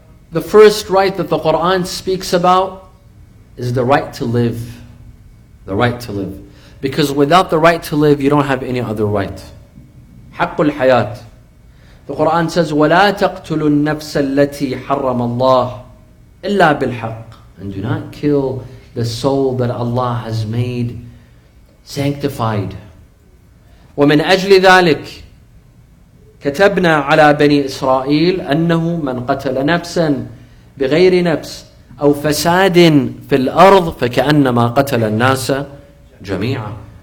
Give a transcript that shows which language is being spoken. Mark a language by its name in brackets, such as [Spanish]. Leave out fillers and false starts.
[English] The first right that the Quran speaks about is the right to live. The right to live. Because without the right to live, you don't have any other right. [Arabic] حق الحياة. The Quran says, وَلَا تَقْتُلُوا النَّفْسَ الَّتِي حَرَّمَ اللَّهُ إِلَّا بِالْحَقِّ. [English] And do not kill the soul that Allah has made sanctified. [Arabic] وَمِنْ أَجْلِ ذَلِكَ كَتَبْنَا عَلَى بَنِي إِسْرَائِيلَ أَنَّهُ مَنْ قَتَلَ نَفْسًا بِغَيْرِ نَفْسٍ أَوْ فَسَادٍ فِي الْأَرْضِ فَكَأَنَّمَا قَتَلَ النَّاسَ جَمِيعًا.